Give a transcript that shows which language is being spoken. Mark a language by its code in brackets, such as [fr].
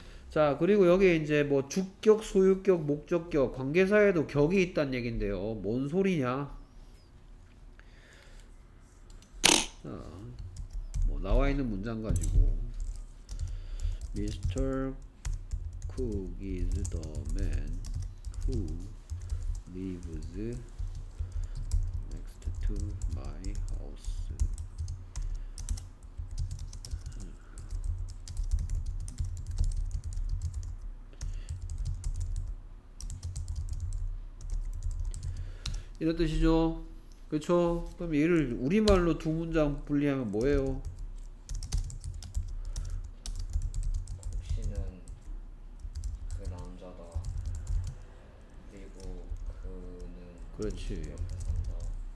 [ko] 자 그리고 여기 이제 뭐 주격 소유격 목적격 관계사에도 격이 있단 얘긴데요 뭔 소리냐 자, 뭐 나와있는 문장 가지고 Mr. [en] Cook is the man who lives next to my house [ko] 이런 뜻이죠 그쵸? 그럼 얘를 우리말로 두 문장 분리하면 뭐예요? 혹시는 그 남자다 그리고 그는 그렇지 옆에 산다